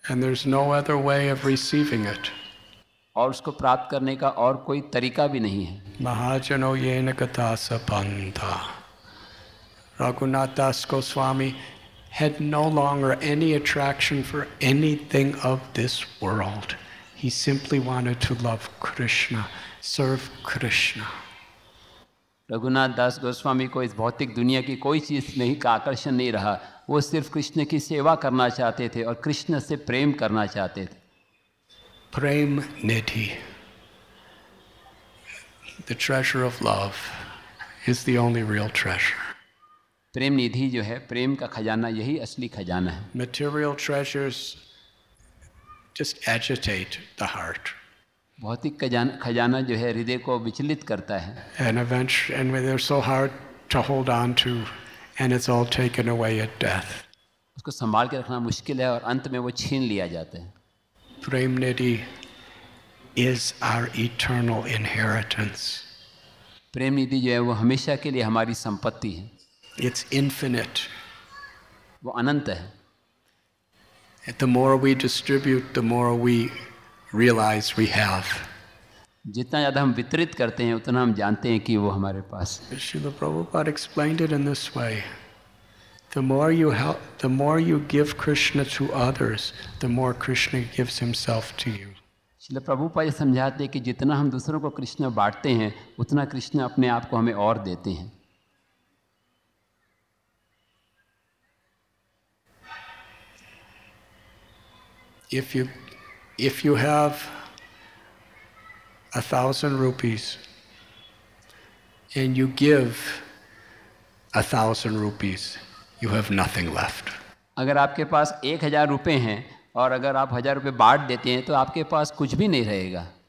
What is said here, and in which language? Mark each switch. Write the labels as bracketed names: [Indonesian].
[English] And there's no other way of receiving it. [Hindi] और उसको प्राप्त करने का और कोई तरीका भी नहीं है. [Sanskrit] महाजनो येन कथा सपन्था. रघुनाथ दास Goswami [English] had no longer any attraction for anything of this world. He simply wanted to love Krishna, serve Krishna. [Hindi] Raghunath दास गोस्वामी को इस भौतिक दुनिया की कोई चीज़ नहीं का आकर्षण नहीं रहा. वो सिर्फ कृष्ण की सेवा करना चाहते थे और कृष्ण से प्रेम करना चाहते थे. [English] Prem Nidhi, the treasure of love is the only real treasure. [Hindi] प्रेम निधि जो है, प्रेम का खजाना, यही असली खजाना है. [English] Material treasures just agitate the heart. [Hindi] भौतिक खजाना जो है हृदय को विचलित करता है. [English] And eventually, and they're so hard to hold on to, and it's all taken away at death. [Hindi] उसको संभाल के रखना मुश्किल है और अंत में वो छीन लिया जाता है. [English] Prem nidhi is our eternal inheritance. [Hindi] प्रेम निधि जो है वो हमेशा के लिए हमारी संपत्ति है. [English] It's infinite. [Hindi] वो अनंत है. [English] The more we distribute, the more we realize we have. [Hindi] जितना ज़्यादा हम वितरित करते हैं, उतना हम जानते हैं कि वो हमारे पास. [English] Srila Prabhupada explained it in this way: the more you help, the more you give Krishna to others, the more Krishna gives Himself to you. [Hindi] Srila Prabhupada समझाते हैं कि जितना हम दूसरों को कृष्ण बांटते हैं, उतना कृष्ण अपने आप को हमें और देते हैं. [English] If you have 1,000 rupees and you give 1,000 rupees, you have nothing left. [Hindi] अगर आपके पास 1,000 रुपये हैं और अगर आप 1,000 रुपये बांट देते हैं तो आपके पास कुछ भी नहीं रहेगा.